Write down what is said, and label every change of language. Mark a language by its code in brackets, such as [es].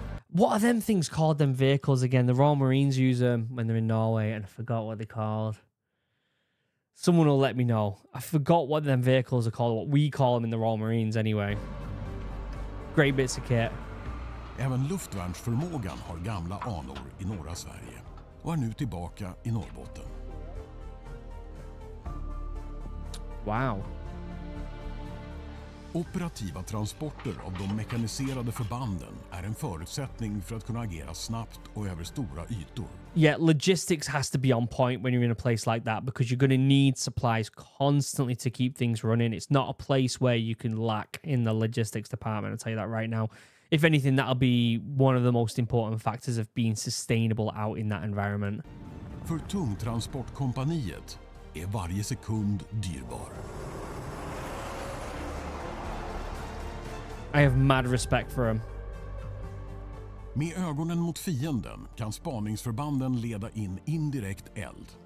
[en] What are them things called, them vehicles again? The Royal Marines use them when they're in Norway, and I forgot what they're called. Someone will let me know. I forgot what them vehicles are called, what we call them in the Royal Marines anyway. Great bits of kit. [sv] Även luftvärnsförmågan har gamla anor i norra Sverige och är nu tillbaka i Norrbotten. [en] Wow. [sv] Operativa transporter av de mekaniserade förbanden är en förutsättning för att kunna agera snabbt och över stora ytor. [en] Yeah, logistics has to be on point when you're in a place like that because you're going to need supplies constantly to keep things running. It's not a place where you can lack in the logistics department, I'll tell you that right now. If anything, that'll be one of the most important factors of being sustainable out in that environment. [sv] För tungtransportkompaniet är varje sekund dyrbar. [en] I have mad respect for him. [sv] Med ögonen mot fienden kan spaningsförbanden leda in indirekt eld.